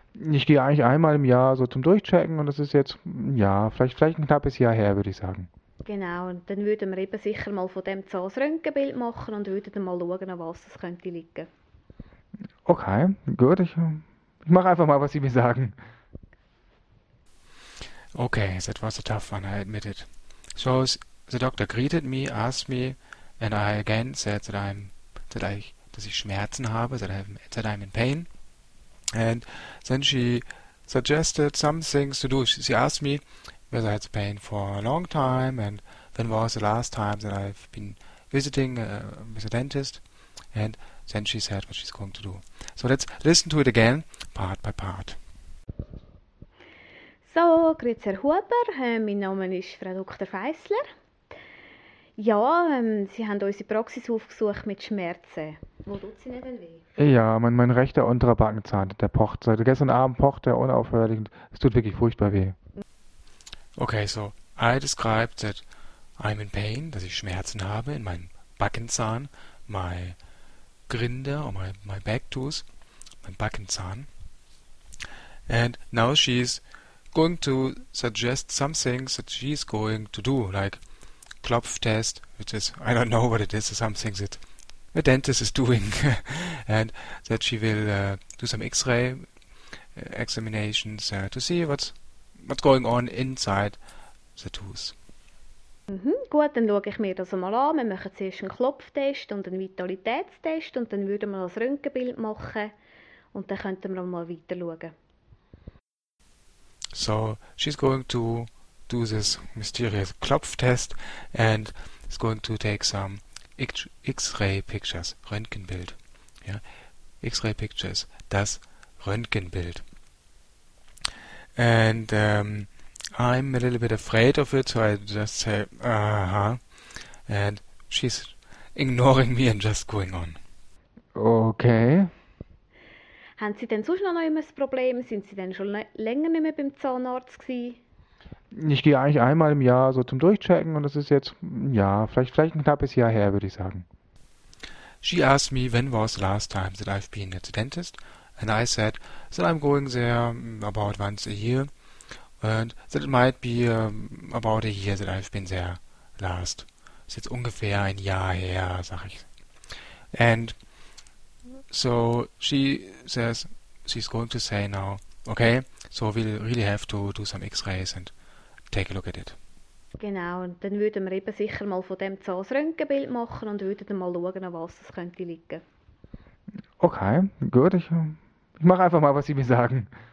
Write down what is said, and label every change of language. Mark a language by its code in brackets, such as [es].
[de] Ich gehe eigentlich einmal im Jahr so zum Durchchecken und das ist jetzt, ja, vielleicht ein knappes Jahr her, würde ich sagen. Genau, und dann würden wir eben sicher mal von dem Zahn das Röntgenbild machen und würden mal schauen, an was das könnte liegen. Okay, gut, ich mache einfach mal, was Sie mir sagen. [en] Okay, that was a tough one, I admit it. So the doctor greeted me, asked me, and I again said [de] dass ich Schmerzen habe, [en] that I'm in pain. And then she suggested some things to do. She asked me whether I had pain for a long time and when was the last time that I've been visiting with a dentist. And then she said what she's going to do. So let's listen to it again, part by part. [de] So, grüezi Herr Huber, mein Name ist Frau Dr. Feissler. Ja, Sie haben unsere Praxis aufgesucht mit Schmerzen. Wo tut sie denn weh? Ja, mein rechter unterer Backenzahn, der pocht. Seit gestern Abend pocht er unaufhörlich. Es tut wirklich furchtbar weh. [en] Okay, so I described that I'm in pain, [de] dass ich Schmerzen habe in meinem Backenzahn, [en] my Grinde, or my back tooth, mein Backenzahn. And now she's going to suggest some things that she's going to do, like Klopftest, which is, I don't know what it is, something that a dentist is doing, and that she will do some X-ray examinations to see what's going on inside the tooth. [de] Gut, dann schaue ich mir das mal an. Wir machen zuerst einen Klopftest und einen Vitalitätstest und dann würden wir das Röntgenbild machen und dann könnten wir mal weiter schauen. [en] So, she's going to do this mysterious Klopftest and is going to take some X-ray pictures, Röntgenbild. [de] Ja, [en] X-ray pictures, [de] das Röntgenbild. [en] And I'm a little bit afraid of it, so I just say, and she's ignoring me and just going on. Okay. [de] Haben Sie denn sonst noch immer ein Problem? Sind Sie denn schon länger nicht mehr beim Zahnarzt gewesen? Ich gehe eigentlich einmal im Jahr so zum Durchchecken und das ist jetzt, ja, vielleicht ein knappes Jahr her, würde ich sagen. [en] She asked me when was the last time that I've been at the dentist and I said that I'm going there about once a year and that it might be about a year that I've been there last. [de] Das ist jetzt ungefähr ein Jahr her, sag ich. [en] And so she says she's going to say now, okay, so we'll really have to do some X-rays and take a look at it. [de] Genau, und dann würden wir eben sicher mal von dem Zahn das Röntgenbild machen und würden dann mal schauen, an was das könnte liegen. Okay, gut, ich mache einfach mal, was Sie mir sagen.